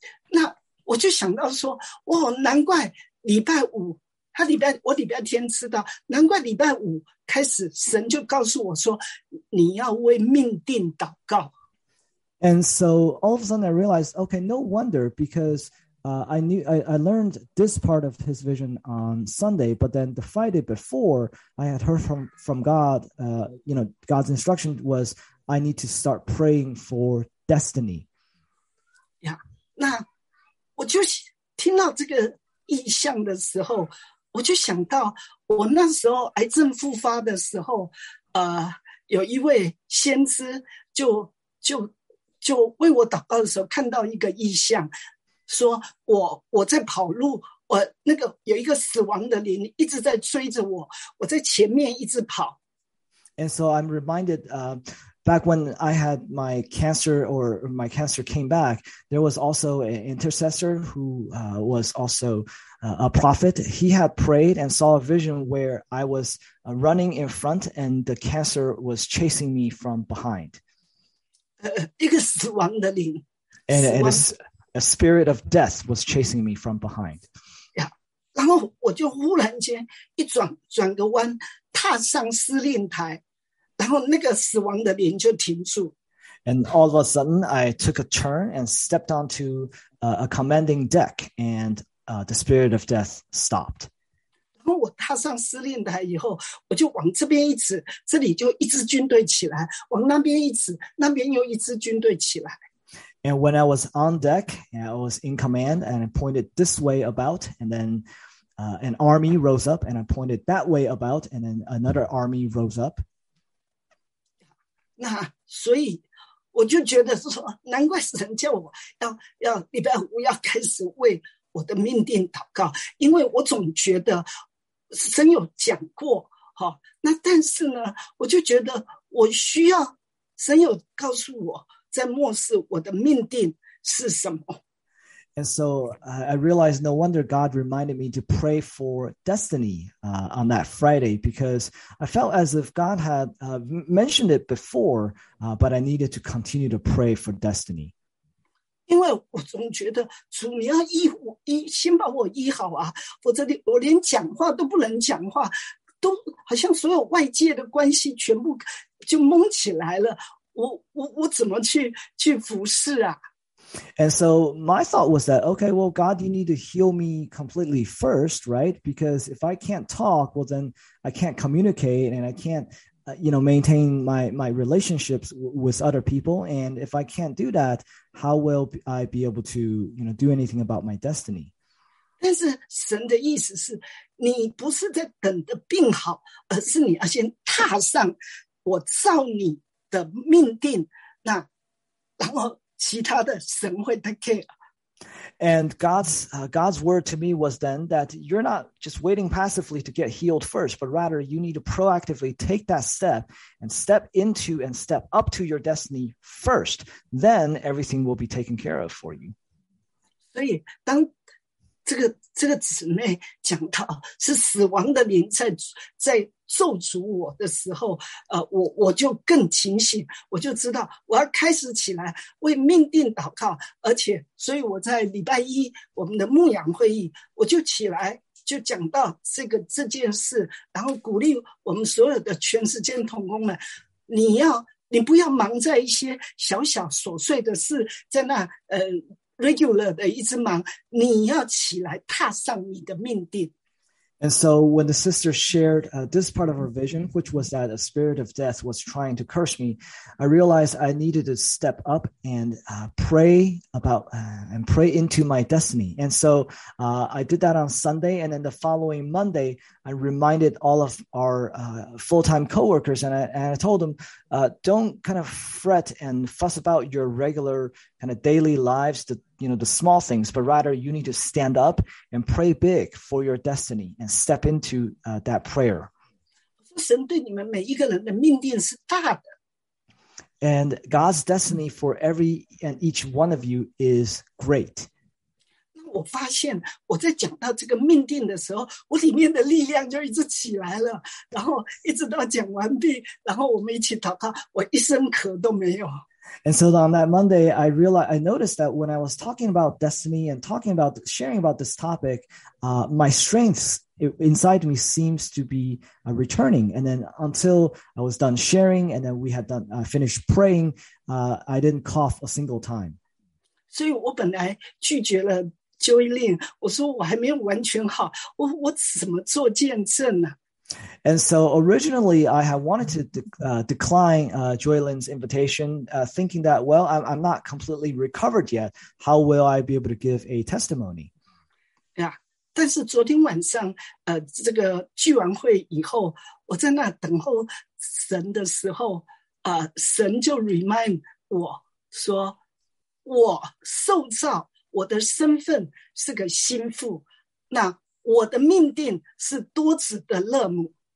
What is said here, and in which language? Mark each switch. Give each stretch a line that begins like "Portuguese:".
Chinese: 那我就想到说，哇，难怪礼拜五我礼拜天知道，难怪礼拜五开始神就告诉我说，你要为命定祷告。
English: And so all of a sudden I realized, okay, no wonder, because I learned this part of his vision on Sunday, but then the Friday before I had heard from God, you know, God's instruction was, I need to start praying for destiny.
Chinese: Yeah, 那我就听到这个意象的时候，我就想到我那时候癌症复发的时候，有一位先知就为我祷告的时候，看到一个异象，说我在跑路，我那个有一个死亡的灵一直在追着我，我在前面一直跑。
English: And so I'm reminded, back when I had my cancer, or my cancer came back, there was also an intercessor who was also a prophet. He had prayed and saw a vision where I was running in front and the cancer was chasing me from behind.
Chinese: 一个死亡的灵,
English: and a spirit of death was chasing me from behind. Yeah.
Chinese: 然后我就忽然间一转个弯，踏上司令台，然后那个死亡的灵就停住。
English: And all of a sudden, I took a turn and stepped onto a commanding deck, and the spirit of death stopped.
Chinese: 然后我踏上司令台以后，我就往这边一指，这里就一支军队起来，往那边一指，那边又一支军队起来。
English: And when I was on deck, I was in command, and I pointed this way about, and then an army rose up, and I pointed that way about, and then another army rose up.
Chinese: 那所以我就觉得说，难怪神叫我要礼拜五要开始为我的命定祷告，因为我总觉得神有讲过，好，那但是呢，我就觉得我需要神有告诉我在末世我的命定是什么。
English: And so I realized, no wonder God reminded me to pray for destiny on that Friday, because I felt as if God had mentioned it before, but I needed to continue to pray for destiny.
Chinese: 因为我总觉得主你要医我，先把我医好啊，否则我连讲话都不能讲话，都好像所有外界的关系全部就蒙起来了，我怎么去服侍啊？
English: And so my thought was that, okay, well, God, you need to heal me completely first, right? Because if I can't talk, well, then I can't communicate and I can't, you know, maintain my relationships with other people. And if I can't do that, how will I be able to, you know, do anything about my destiny?
Chinese: 但是神的意思是，你不是在等着病好，而是你要先踏上我照你的命定那然后其他的神会
English: take care。 And God's word to me was then that you're not just waiting passively to get healed first, but rather you need to proactively take that step and step into and step up to your destiny first. Then everything will be taken care of for you.
Chinese: 所以当这个姊妹讲到是死亡的灵在咒诅我的时候，我就更清醒，我就知道我要开始起来为命定祷告，而且，所以我在礼拜一我们的牧养会议，我就起来就讲到这件事，然后鼓励我们所有的全世界同工们，你不要忙在一些小小琐碎的事，在那regular 的一直忙，你要起来踏上你的命定。
English: And so when the sister shared this part of her vision, which was that a spirit of death was trying to curse me, I realized I needed to step up and pray into my destiny. And so I did that on Sunday. And then the following Monday, I reminded all of our full-time coworkers and I told them, don't kind of fret and fuss about your regular kind of daily lives, the small things, but rather you need to stand up and pray big for your destiny and step into that prayer.
Chinese: 神对你们每一个人的命定是大的。
English: And God's destiny for every and each one of you is great.
Chinese: 那我发现我在讲到这个命定的时候，我里面的力量就一直起来了，然后一直到讲完毕，然后我们一起祷告，我一声咳都没有。
English: And so on that Monday, I noticed that when I was talking about destiny and talking about sharing about this topic, my strength inside me seems to be returning. And then until I was done sharing and then we had finished praying, I didn't cough a single time. So I originally rejected Joylene. I said, I haven't been completely well. What can I do to testify? And so originally, I had wanted to decline Joylin's invitation, thinking that, well, I'm not completely recovered yet. How will I be able to give a testimony?
Chinese: Yeah, 但是昨天晚上，这个聚完会以后，我在那等候神的时候，神就 remind 我说，我受造，我的身份是个心腹，那我的命定是多子的乐母。